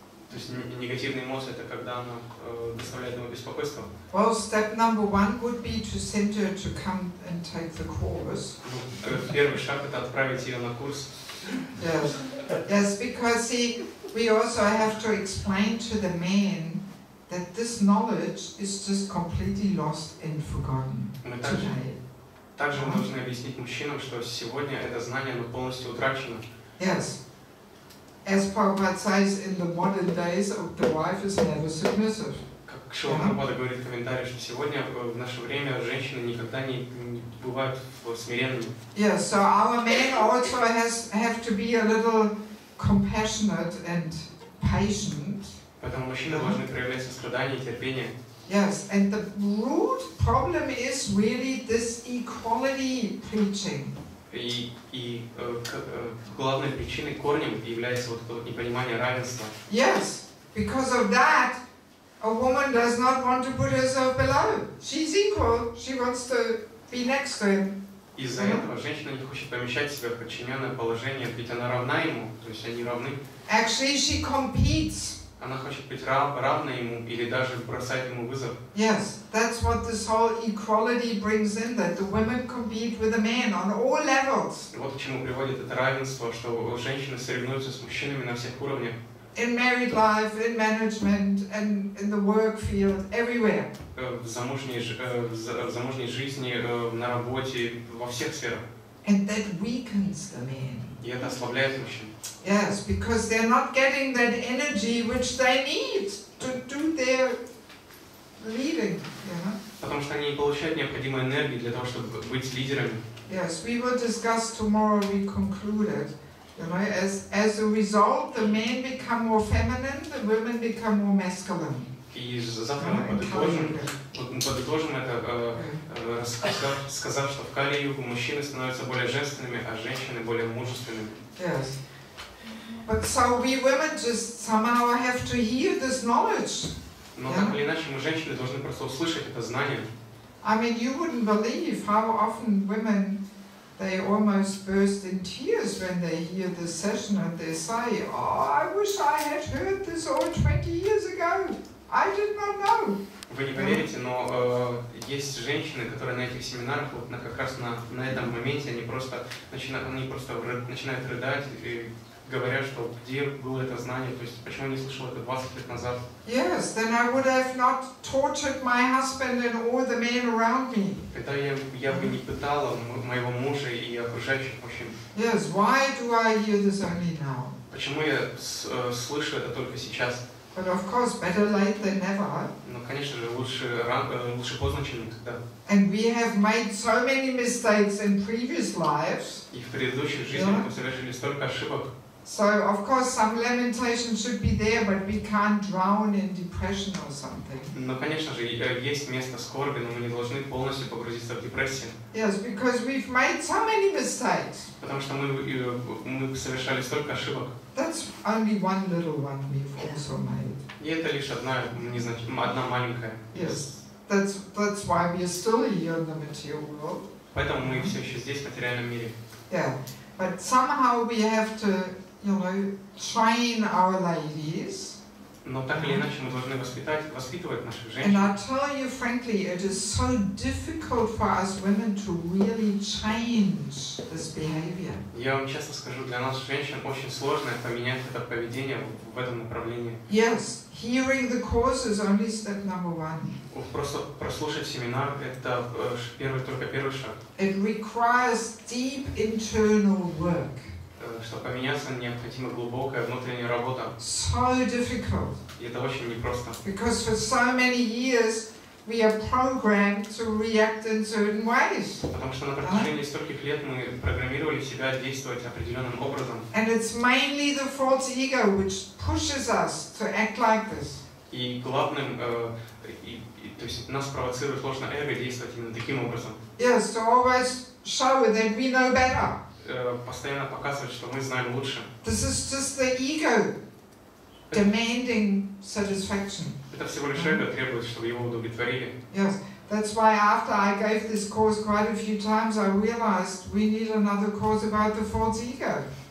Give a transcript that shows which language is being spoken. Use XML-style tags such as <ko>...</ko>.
<ru>То есть негативные эмоции — это когда она доставляет ему беспокойство.</ru> <en>Well, step number one would be to send her to come and take the course.</en> <ru>Первый шаг — это отправить ее на курс.</ru> <en>Yes. Yes, because see, we also have to explain to the men that this knowledge is just completely lost and forgotten.</en> <ru>Также мы должны объяснить мужчинам, что сегодня это знание полностью утрачено.</ru> <en>Yes. As Prabhupada says, in the modern days, the wife is never submissive.</en> <ru>Как Шрила Прабхупада говорит в комментарии, что сегодня в наше время женщины никогда не бывают смиренными.</ru> <en>Yes, so our men also have to be a little compassionate and patient.</en> <ru>Поэтому мужчины должны проявлять сострадание и терпение.</ru> <en>Yes, and the root problem is really this equality preaching.</en> <ru>И главной причиной, корнем является вот это непонимание равенства.</ru> <en>Yes, because of that, a woman does not want to put herself below. She's equal. She wants to be next to him.</en> <ru>Из-за этого женщина не хочет помещать себя в подчиненное положение, ведь она равна ему, то есть они равны.</ru> <en>Actually, she competes.</en> <ru>Она хочет быть равна ему или даже бросать ему вызов.</ru> <en>Yes, that's what this whole equality brings in, that the women compete with the men on all levels.</en> <ru>Вот к чему приводит это равенство, что женщины соревнуются с мужчинами на всех уровнях.</ru> <en>In married life, in management, and in the work field, everywhere.</en> <ru>В замужней жизни, на работе, во всех сферах.</ru> <en>And that weakens the men.</en> <ru>И это ослабляет мужчин.</ru> <en>Yes, because they're not getting that energy which they need to do their leading.</en> <ru>Потому что они не получают необходимой энергии для того, чтобы быть лидерами.</ru> <en>Yes, we will discuss tomorrow. We concluded, you know, as a result, the men become more feminine, the women become more masculine.</en> <ru>И завтра мы подытожим это, сказав, что в Кали-Югу мужчины становятся более женственными, а женщины более мужественными.</ru> <en>Yes. But so we women just somehow have to hear this knowledge.</en> <ru>Но так или иначе, мы женщины должны просто услышать это знание.</ru> <en>I mean, you wouldn't believe how often women, they almost burst in tears when they hear this session and they say, oh, I wish I had heard this all 20 years ago. I did not know.</en> <ru>Вы не поверите, но есть женщины, которые на этих семинарах, вот как раз на этом моменте, они просто начинают рыдать и говорят, что где было это знание, то есть почему не слышал это 20 лет назад.</ru> <en>Yes, then I would have not tortured my husband and all the men around me.</en> <ru>Это я бы не пытала моего мужа и окружающих мужчин.</ru> <en>Yes, why do I hear this only now?</en> <ru>Почему я слышу это только сейчас?</ru> <en>But of course, better late than never.</en> <ru>Ну, конечно же, лучше поздно, чем никогда.</ru> <en>And we have made so many mistakes in previous lives.</en> <ru>И в предыдущих жизнях мы совершили столько ошибок.</ru> <en>So of course, some lamentation should be there, but we can't drown in depression or something.</en> <ru>Ну, конечно же, есть место скорби, но мы не должны полностью погрузиться в депрессию.</ru> <en>Yes, because we've made so many mistakes.</en> <ru>Потому что мы совершали столько ошибок.</ru> <en>That's only one little one we've also made.</en> <ru>И это лишь одна маленькая.</ru> <en>Yes, that's why we are still here in the material world.</en> <ru>Поэтому мы все еще здесь, в материальном мире.</ru> <en>Yeah, but somehow we have to, you know, train our ladies.</en> <ru>Но так или иначе мы должны воспитывать наших женщин.</ru> <en>And I tell you frankly, it is so difficult for us women to really change this behavior.</en> <ru>Я вам честно скажу, для нас женщин очень сложно поменять это поведение в этом направлении.</ru> <en>Yes, hearing the course is only step number one.</en> <ru>Просто прослушать семинар — это первый шаг.</ru> <en>It requires deep internal work.</en> <ru>Чтобы поменяться, необходима глубокая внутренняя работа.</ru> <en>So difficult.</en> <ru>И это очень непросто.</ru> <en>Because for so many years we are programmed to react in certain ways.</en> <ru>Потому что на протяжении стольких лет мы программировали себя действовать определенным образом.</ru> <en>And it's mainly the false ego which pushes us to act like this.</en> <ru>И главным, то есть нас провоцирует ложное эго действовать именно таким образом.</ru> <en>Yes, to always show that we know better.</en> <ru>Постоянно показывать, что мы знаем лучше.</ru> <en>This is just the ego demanding satisfaction.</en> <ru>Это всего лишь эго требует, чтобы его удовлетворили.</ru> <en>Yes, That's why after I gave this course quite a few times, I realized we need another course about the false ego.</en>